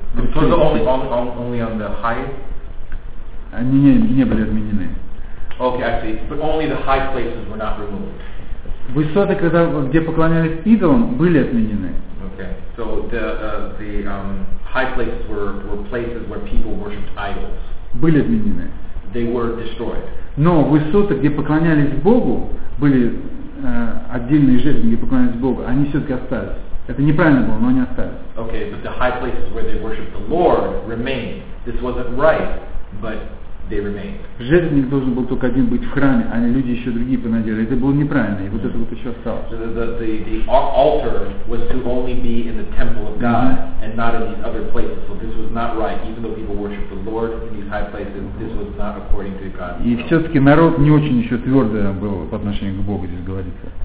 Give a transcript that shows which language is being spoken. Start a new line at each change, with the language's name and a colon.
English: Only the highest?
Russian: Не были отменены.
English: Okay, I see. But only the high places were not removed.
Russian: Высоты, когда, где поклонялись идолам, были отменены.
English: Okay. So the high places were places where people worshipped idols.
Russian: Были отменены.
English: They were destroyed.
Russian: Но высоты, где поклонялись Богу, были отдельные жертвы, где поклонялись Богу, они все-таки остались. Это неправильно было, но они остались.
English: Okay, but the high places where they worshipped the Lord remained. This wasn't right, but they remained.
Russian: Жертвенник должен был только один быть в храме, а люди еще другие понадели. Это было неправильно, и вот это вот еще осталось.
English: So the altar was to only be in the temple of God, and not in these other places. So this was not right, even though people worshipped the Lord in these high places. This was not according to God.
Russian: И все-таки народ не очень еще твердо был по отношению к Богу, здесь говорится.